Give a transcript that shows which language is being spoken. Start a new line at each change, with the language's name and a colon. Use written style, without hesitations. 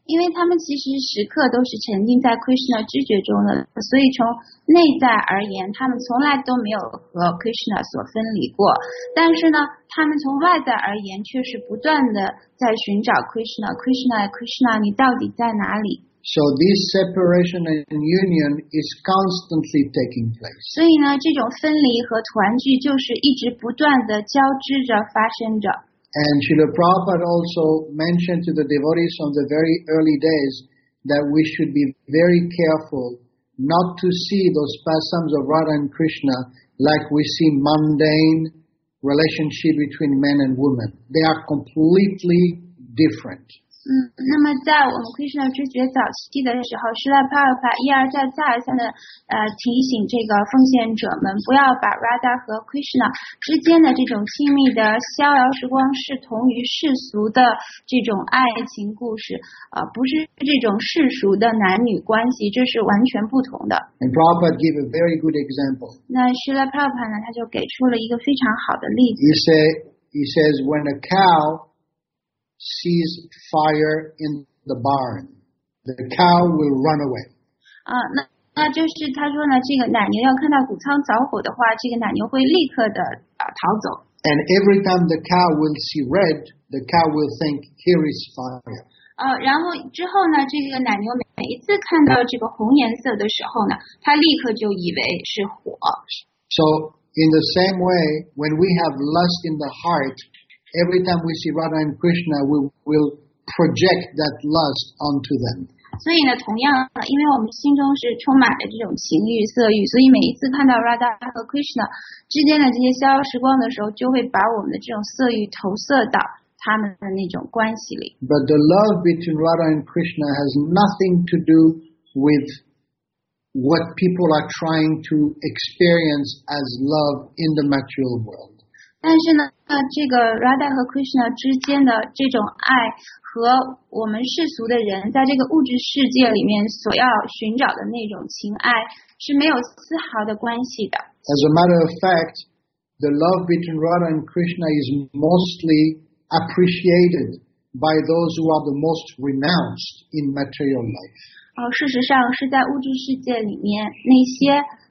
Chinese: 因为他们其实时刻都是沉浸在 Krishna 知觉中的，所以从内在而言，他们从来都没有和 Krishna 所分离过。但是呢，他们从外在而言，却是不断的在寻找 Krishna. Krishna, Krishna, 你到底在哪里？
English: So this separation and union is constantly taking place.
Chinese: 所以呢，这种分离和团聚就是一直不断的交织着发生着。
English: And Srila Prabhupada also mentioned to the devotees from the very early days that we should be very careful not to see those pastimes of Radha and Krishna like we see mundane relationship between men and women. They are completely different.
Chinese: 那么在我们 Krishna 知觉早期的时候，Srila Prabhupada 一而再、再而三的提醒这个奉献者们，不要把 Radha 和 Krishna 之间的这种亲密的逍遥时光视同于世俗的这种爱情故事，不是这种世俗的男女关系，这是完全不同的。
English: And Prabhupada gave a very good example.
Chinese: 那 Srila Prabhupada 呢，他就给出了一个非常好的例子。
English: He says when a cow sees fire in the barn, the cow will run away.
Chinese: 那就是他说呢，这个奶牛要看到谷仓着火的话，这个奶牛会立刻的逃走。
English: And every time the cow will see red, the cow will think here is fire.
Chinese: 然后之后呢，这个奶牛每一次看到这个红颜色的时候呢，它立刻就以为是火。
English: So in the same way, when we have lust in the heart. Every time we see Radha and Krishna, we will project that lust onto them.
Chinese: 所以呢，同样，因为我们心中是充满了这种情欲、色欲，所以每一次看到 Radha 和 Krishna 之间的这些逍遥时光的时候，就会把我们的这种色欲投射到他们的那种关系里。
English: But the love between Radha and Krishna has nothing to do with what people are trying to experience as love in the material world.
Chinese: 但是呢，这个 Radha 和 Krishna 之间的这种爱和我们世俗的人在这个物质世界里面所要寻找的那种情爱是没有丝毫的关系的。
English: As a matter of fact, the love between Radha and Krishna is mostly appreciated by those who are the most renounced in material life.
Chinese: 事实上是在物质世界里面那些。